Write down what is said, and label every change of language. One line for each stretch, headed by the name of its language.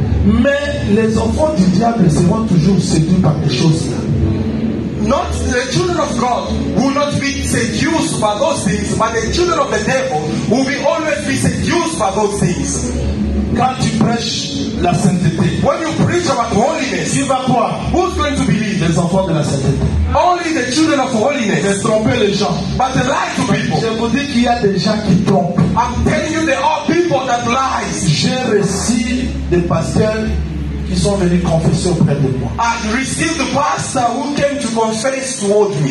French: mais les enfants du diable seront toujours séduits par des choses.
English: Not the children of God will not be seduced by those things, but the children of the devil will be always be seduced by those things.
French: Quand tu prêches la sainteté,
English: when you preach about holiness,
French: tu vas voir,
English: who's going to believe?
French: Les enfants de la sainteté.
English: Only the children of holiness.
French: De tromper les gens.
English: But they lie to people.
French: Je vous dis qu'il y a des gens qui trompent.
English: I'm telling you there are people that lie.
French: J'ai reçu des pasteurs qui sont venus confesser auprès de moi.
English: I received the pastor who came to confess toward me.